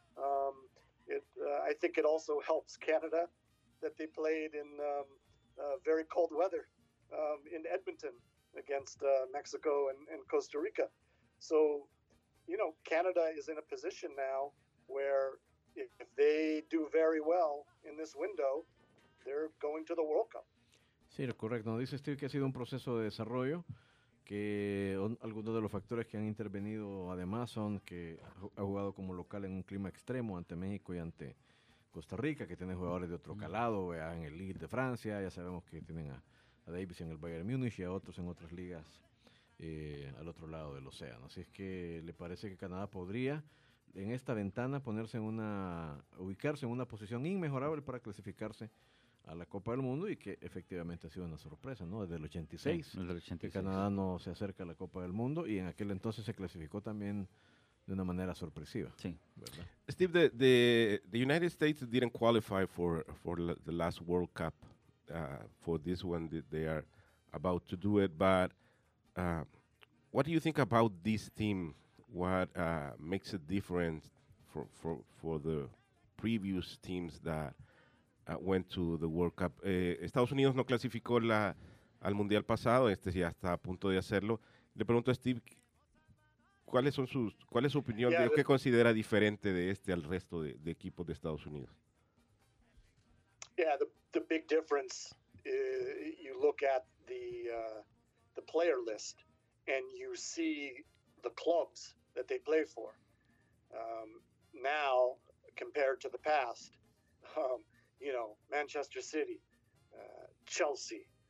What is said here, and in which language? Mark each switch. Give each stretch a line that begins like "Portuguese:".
English: I think it also helps Canada that they played in very cold weather in Edmonton against Mexico and Costa Rica. So, you know, Canada is in a position now where if they do very well in this window, they're going to the World Cup.
Spanish: Sí, correcto. Dice Steve que ha sido un proceso de desarrollo, que algunos de los factores que han intervenido además son que ha jugado como local en un clima extremo ante México y ante Costa Rica, que tiene jugadores de otro calado, vea, en el Lille de Francia, ya sabemos que tienen a Davis en el Bayern Múnich y a otros en otras ligas al otro lado del océano. Así es que le parece que Canadá podría en esta ventana ponerse en una, ubicarse en una posición inmejorable para clasificarse a la Copa del Mundo, y que efectivamente ha sido una sorpresa, ¿no? Desde el 86, que Canadá no se acerca a la Copa del Mundo, y en aquel entonces se clasificó también de una manera sorpresiva. Sí, ¿verdad?
English: Steve, the United States didn't qualify for the last World Cup. For this one, they are about to do it, but what do you think about this team? What makes a difference for the previous teams that went to the World Cup?
Spanish: Estados Unidos no clasificó al Mundial pasado, este ya está a punto de hacerlo. Le pregunto a Steve, ¿cuál es su opinión de qué considera diferente de este al resto de equipos de Estados Unidos?
English: Yeah, the big difference, you look at the player list and you see the clubs that they play for. Now, compared to the past, Manchester City, Chelsea,